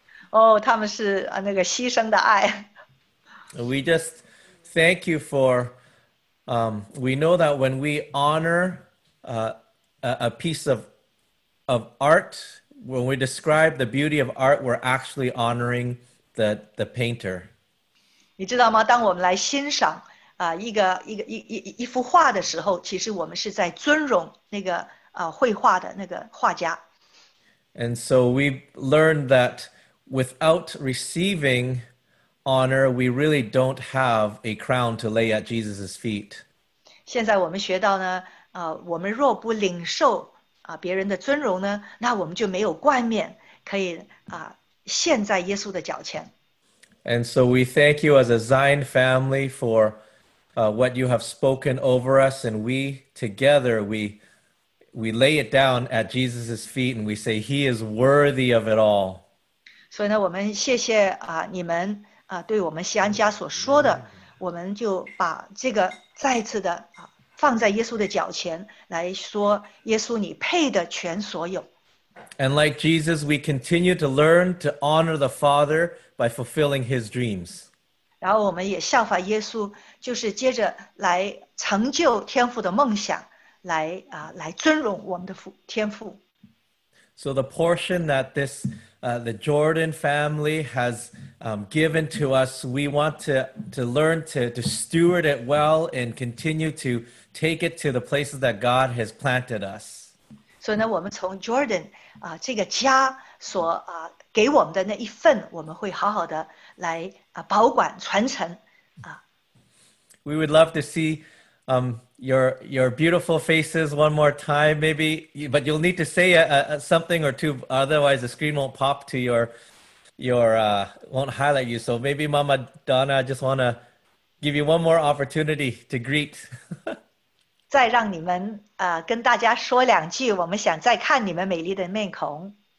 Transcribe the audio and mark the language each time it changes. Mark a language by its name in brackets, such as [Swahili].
[Chinese] Oh, 他们是那个牺牲的爱。 [English] We just thank you for, we know that when we honor a piece of art, when we describe the beauty of art, we're actually honoring the painter. [Chinese] 你知道吗? 当我们来欣赏, 一幅画的时候, 其实我们是在尊荣那个, 绘画的那个画家。 [English] And so we learned that without receiving honor, we really don't have a crown to lay at Jesus' feet. [Chinese] 现在我们学到呢, 我们若不领受, 别人的尊荣呢, 那我们就没有冠冕, 可以, 献在耶稣的脚前。 [English] And so we thank you as a Zion family for what you have spoken over us, and we together, we lay it down at Jesus' feet and we say, He is worthy of it all. [Chinese] 所以呢,我们谢谢, 你们, 对我们西安家所说的, 我们就把这个再次的, 放在耶稣的脚前, 来说, 耶稣你配的全所有。 [English] And like Jesus, we continue to learn to honor the Father by fulfilling His dreams. [Chinese] 然后我们也效法耶稣, 就是接着来成就天父的梦想。来尊荣我们的天父。 [English] So the portion that this the Jordan family has given to us, we want to learn to steward it well and continue to take it to the places that God has planted us. [Chinese] 所以呢，我们从 Jordan 这个家所给我们的那一份，我们会好好的来保管传承。 [English] We would love to see your beautiful faces one more time, maybe, but you'll need to say something or two, otherwise the screen won't pop to won't highlight you. So maybe Mama Donna, I just want to give you one more opportunity to greet. [Chinese] 再让你们, 跟大家说两句, 我们想再看你们美丽的面孔。